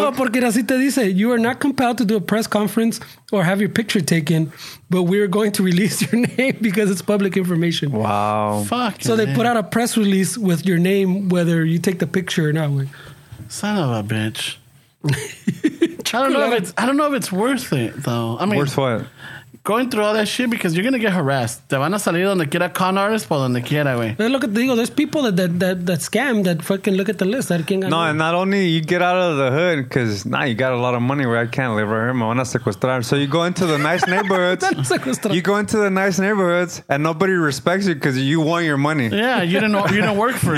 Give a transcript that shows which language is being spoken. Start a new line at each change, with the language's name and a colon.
Spanish: No, porque así te dice,
English: you are not compelled to do a press conference or have your picture taken, but we're going to release your name because it's public information. Wow. Fuck. So they put out a press release with your name, whether you take the picture or not. Son of a bitch. I don't know if it's worth it though. I mean, worth what? Going through all that shit because you're gonna get harassed.
Spanish: Te van a salir donde quiera con artist por donde quiera, güey.
English: Look at there's people that scam that fucking look at the list. And not only you get out of the hood because now you got a lot of money where I can't live right here.
Spanish: Me van a secuestrar.
English: So you go into the nice neighborhoods. You go into the nice neighborhoods and nobody respects you because you want your money. Yeah, you didn't work for it.